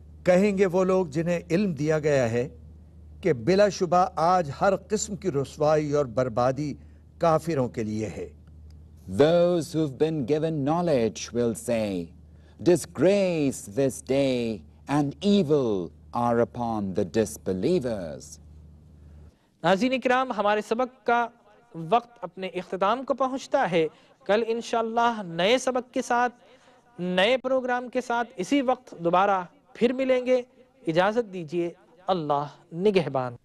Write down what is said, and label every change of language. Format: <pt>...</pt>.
<ur>کہیں گے وہ لوگ جنہیں علم دیا گیا ہے کہ بلا شبہ آج ہر قسم کی رسوائی اور بربادی کافروں کے لیے ہے.</ur> <en>Those who've been given knowledge will say, disgrace this day and evil are upon the disbelievers.</en> <ur>ناظرین اکرام, ہمارے سبق کا وقت اپنے اختتام کو پہنچتا ہے. کل انشاءاللہ نئے سبق کے ساتھ, نئے پروگرام کے ساتھ اسی وقت دوبارہ پھر ملیں گے. اجازت دیجئے, اللہ نگہبان.</ur>